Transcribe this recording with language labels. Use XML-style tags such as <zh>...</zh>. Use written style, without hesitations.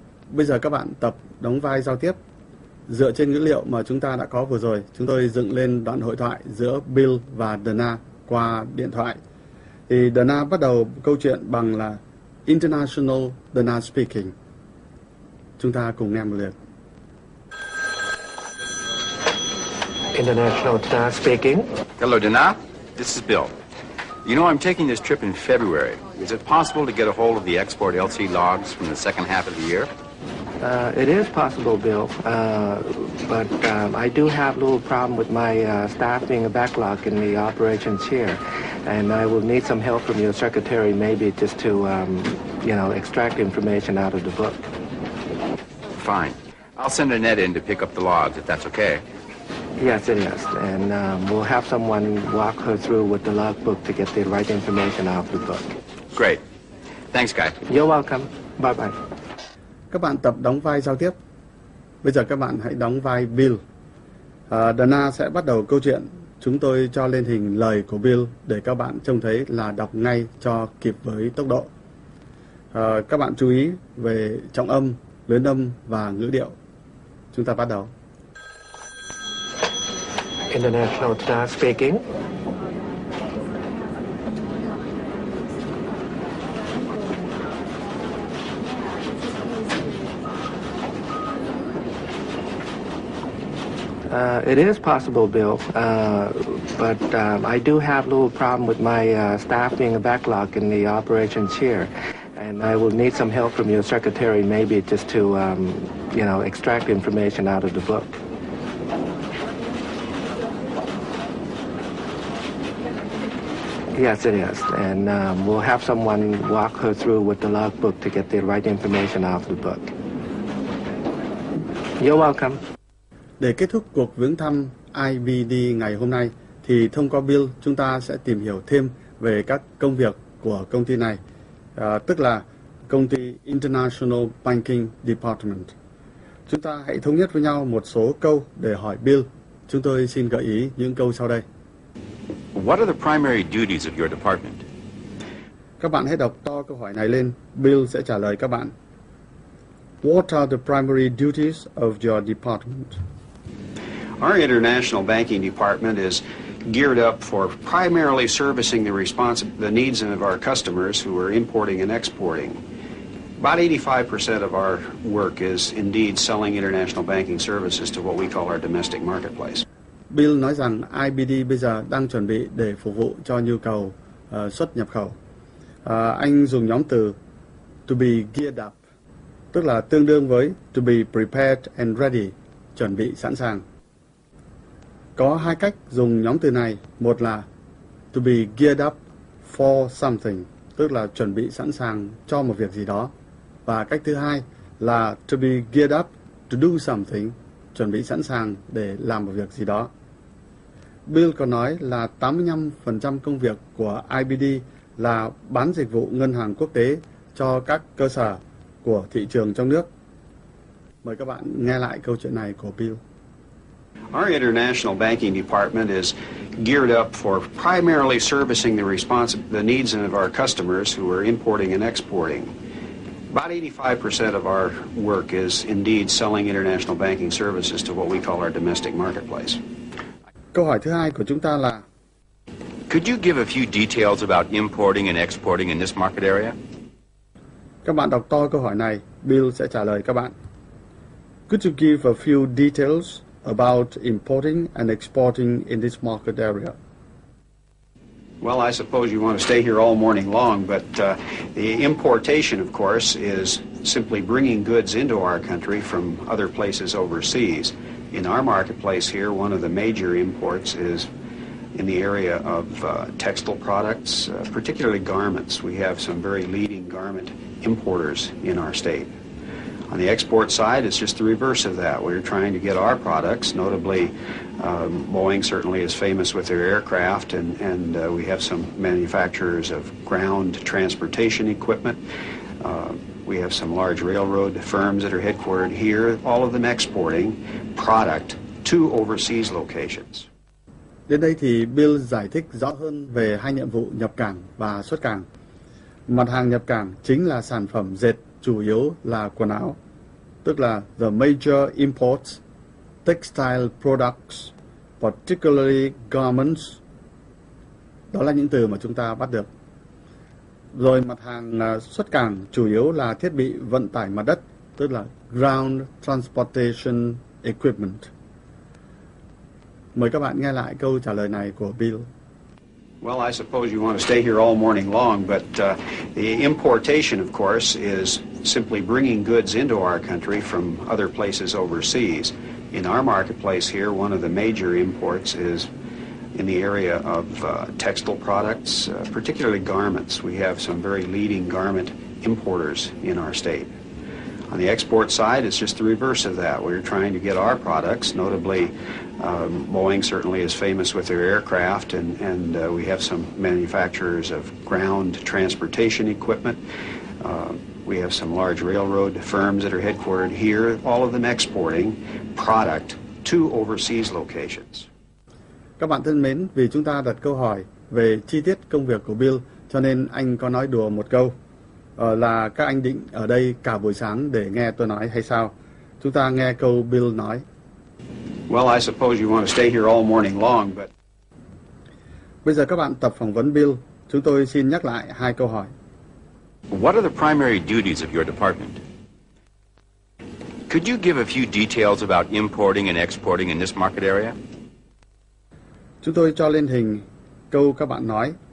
<vi>Bây giờ các bạn tập đóng vai giao tiếp. Dựa trên ngữ liệu mà chúng ta đã có vừa rồi, chúng tôi dựng lên đoạn hội thoại giữa Bill và Dana qua điện thoại. Thì Dana bắt đầu câu chuyện bằng là</vi> <en>International Dana speaking.</en> <vi>Chúng ta cùng nghe một lượt.</vi> <en>International Dana speaking. Hello, Dana. This is Bill. You know, I'm taking this trip in February. Is it possible to get a hold of the export LC logs from the second half of the year? It is possible, Bill. But I do have a little problem with my staff being a backlog in the operations here. And I will need some help from your secretary, maybe just to, you know, extract information out of the book. Fine. I'll send Annette in to pick up the logs, if that's okay. Yes, it is. And we'll have someone walk her through with the logbook to get the right information out of the book. Great. Thanks, Guy. You're welcome. Bye-bye.</en> <vi>Các bạn tập đóng vai giao tiếp. Bây giờ các bạn hãy đóng vai Bill. Dana sẽ bắt đầu câu chuyện. Chúng tôi cho lên hình lời của Bill để các bạn trông thấy là đọc ngay cho kịp với tốc độ. Các bạn chú ý về trọng âm, luyến âm và ngữ điệu. Chúng ta bắt đầu.</vi> <en>International Dana speaking. It is possible, Bill, but I do have a little problem with my staff being a backlog in the operations here, and I will need some help from your secretary, maybe just to, you know, extract information out of the book. Yes, it is. And we'll have someone walk her through with the logbook to get the right information out of the book. You're welcome.</en> <vi>Để kết thúc cuộc viếng thăm IBD ngày hôm nay, thì thông qua Bill, chúng ta sẽ tìm hiểu thêm về các công việc của công ty này, tức là công ty International Banking Department. Chúng ta hãy thống nhất với nhau một số câu để hỏi Bill. Chúng tôi xin gợi ý những câu sau đây.</vi> <en>What are the primary duties of your department?</en> <vi>Các bạn hãy đọc to câu hỏi này lên. Bill sẽ trả lời các bạn.</vi> <en>What are the primary duties of your department? Our international banking department is geared up for primarily servicing the needs of our customers who are importing and exporting. About 85% of our work is indeed selling international banking services to what we call our domestic marketplace.</en> <vi>Bill nói rằng IBD bây giờ đang chuẩn bị để phục vụ cho nhu cầu xuất nhập khẩu. Anh dùng nhóm từ</vi> <en>to be geared up,</en> <vi>tức là tương đương với</vi> <en>to be prepared and ready,</en> <vi>chuẩn bị sẵn sàng. Có hai cách dùng nhóm từ này, một là</vi> <en>to be geared up for something,</en> <vi>tức là chuẩn bị sẵn sàng cho một việc gì đó. Và cách thứ hai là</vi> <en>to be geared up to do something,</en> <vi>chuẩn bị sẵn sàng để làm một việc gì đó. Bill còn nói là 85% công việc của IBD là bán dịch vụ ngân hàng quốc tế cho các cơ sở của thị trường trong nước. Mời các bạn nghe lại câu chuyện này của Bill. Our international banking department is geared up for primarily servicing the needs of our customers who are importing and exporting. About 85% of our work is indeed selling international banking services to what we call our domestic marketplace. Câu hỏi thứ hai của chúng ta là</vi> <en>could you give a few details about importing and exporting in this market area?</en> <vi>Các bạn đọc to câu hỏi này, Bill sẽ trả lời các bạn.</vi> <en>Could you give a few details about importing and exporting in this market area? Well, I suppose you want to stay here all morning long, but the importation, of course, is simply bringing goods into our country from other places overseas. In our marketplace here, one of the major imports is in the area of textile products, particularly garments. We have some very leading garment importers in our state. On the export side, it's just the reverse of that. We're trying to get our products, notably Boeing certainly is famous with their aircraft, and we have some manufacturers of ground transportation equipment. We have some large railroad firms that are headquartered here, all of them exporting product to overseas locations.</en> <vi>Đến đây thì Bill giải thích rõ hơn về hai nhiệm vụ nhập cảng và xuất cảng. Mặt hàng nhập cảng chính là sản phẩm dệt chủ yếu là quần áo, tức là</vi> <en>the major imports, textile products, particularly garments.</en> <vi>Đó là những từ mà chúng ta bắt được. Rồi mặt hàng xuất cảng chủ yếu là thiết bị vận tải mặt đất, tức là</vi> <en>ground transportation equipment.</en> <vi>Mời các bạn nghe lại câu trả lời này của Bill.</vi> <en>Well, I suppose you want to stay here all morning long, but the importation, of course, is simply bringing goods into our country from other places overseas. In our marketplace here, one of the major imports is in the area of textile products, particularly garments. We have some very leading garment importers in our state. On the export side, it's just the reverse of that. We're trying to get our products, notably Boeing certainly is famous with their aircraft, and we have some manufacturers of ground transportation equipment. We have some large railroad firms that are headquartered here, all of them exporting product to overseas locations.</en> <vi>Các bạn thân mến, vì chúng ta đặt câu hỏi về chi tiết công việc của Bill, cho nên anh có nói đùa một câu. Là các anh định ở đây cả buổi sáng để nghe tôi nói hay sao? Chúng ta nghe câu Bill nói.</vi> <en>Well, I suppose you want to stay here all morning long, but...</en> <vi>Bây giờ các bạn tập phỏng vấn Bill. Chúng tôi xin nhắc lại hai câu hỏi.</vi> <en>What are the primary duties of your department? Could you give a few details about importing and exporting in this market area?</en> <vi>Chúng tôi cho lên hình câu các bạn nói.</vi>